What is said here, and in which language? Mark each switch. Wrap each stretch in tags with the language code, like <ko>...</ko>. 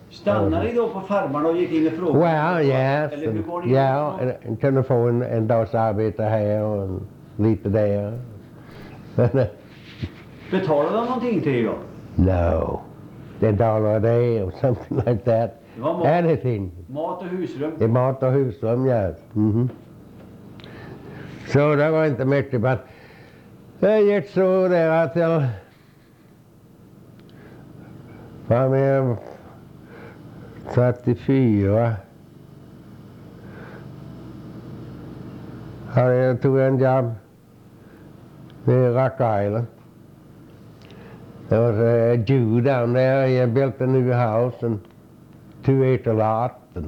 <sv>stannade du på farmarna och gick in och</sv> <en>frågade? Well, yes.</en> <sv>Eller hur går det? Ja, and kunde få en dags arbete här och lite där. Betalade han någonting till dig?</sv> <en>No. A dollar a day or something like that. Anything.</en> <sv>Mat och husrum. Det mat och husrum, ja. Yes. Mm-hmm. Så det var inte mycket, men det gick så där till fram 34. Här tog jag en jam i Rock Island. Det var en</sv> <en>Jew down there. He had built a new house and 2 acre lot.</en>